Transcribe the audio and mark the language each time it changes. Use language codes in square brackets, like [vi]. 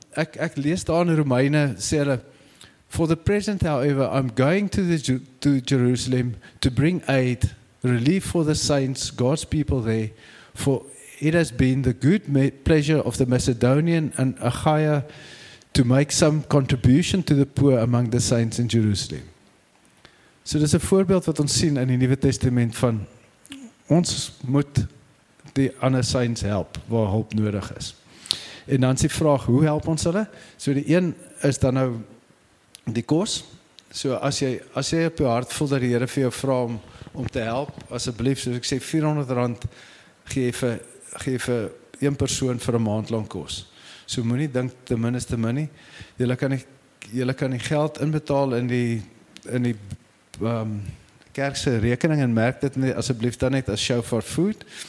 [af] Ek lees daar in Romeine, sê hulle, [en] for the present however, I'm going to Jerusalem to bring aid, relief for the saints, God's people there, for it has been the good pleasure of the Macedonian and Achaia to make some contribution to the poor among the saints in Jerusalem. [af] So dis 'n voorbeeld wat ons sien in die Nuwe Testament van ons moet die ander saints help waar hulp nodig is. En dan is die vraag, hoe help ons hulle? So die een is dan nou die kos. So as jy op jou hart voel dat die Here vir jou vra om te help, asseblief, soos ek sê, R400 gee vir een persoon vir 'n maand lank kos. So moenie dink ten minste min nie. Jy kan die geld inbetaal in die kerkse rekening en merk dit net asseblief dan net as Shofar Food.